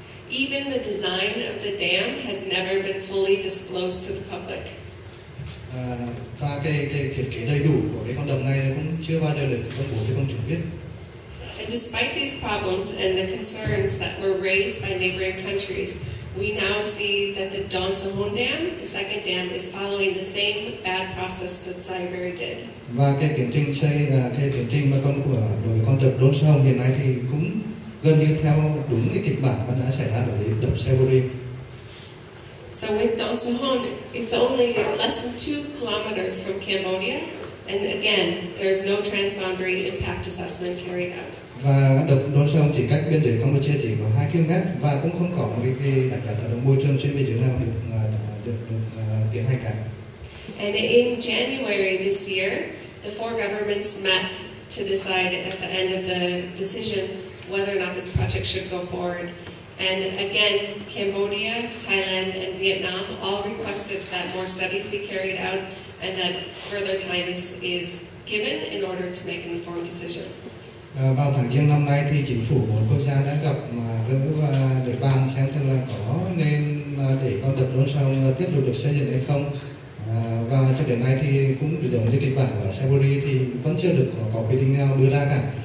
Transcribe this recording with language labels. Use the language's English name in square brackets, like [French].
[English] Even the design of the dam has never been fully disclosed to the public. [Vietnamese] Và cái thiết kế đầy đủ của cái con đập này cũng chưa bao giờ được công bố cho công chúng biết. [English] And despite these problems and the concerns that were raised by neighboring countries, we now see that the Don Sohon Dam, the second dam, is following the same bad process that Zayaberry did. [Vietnamese] Và cái tiến trình xây cái tiến trình mà con của đối với con đập Don Sohon hiện nay thì cũng gần như theo đúng cái kịch bản mà đã xảy ra đối với đập Zayaberry. [English] So with Don Sohon, it's only less than 2 kilometers from Cambodia, and again, there's no transboundary impact assessment carried out. [Vietnamese] Và đập Don Sohon chỉ cách biên giới Campuchia chỉ có 2 km và cũng không có một cái đánh giá tác động môi trường trên biên giới nào được tiến hành cả. [English] And in January this year, the four governments met to decide at the end of the decision whether or not this project should go forward. And again, Cambodia, Thailand, and Vietnam all requested that more studies be carried out and that further time is given in order to make an informed decision. [Vietnamese] Vào tháng riêng năm nay thì chính phủ bốn quốc gia đã gặp mà gỡ và để bàn xem thật là có nên để con đập Don Sohon tiếp tục được xây dựng hay không. Và cho đến nay thì cũng giống như kịch bản của Zayaberry thì vẫn chưa được có quyết định nào đưa ra cả.